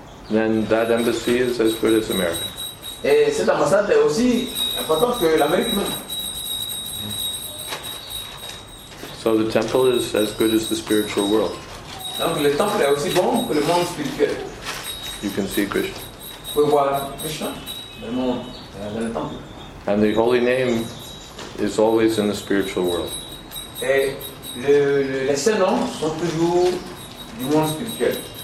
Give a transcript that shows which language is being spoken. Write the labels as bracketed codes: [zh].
[en] Then that embassy is as good as America. [fr] Et cette ambassade est aussi importante que l'Amérique même. [en] So the temple is as good as the spiritual world. [fr] Donc le temple est aussi bon que le monde spirituel. [en] You can see Krishna. And the holy name is always in the spiritual world. [fr] Les saints noms sont toujours du monde spirituel.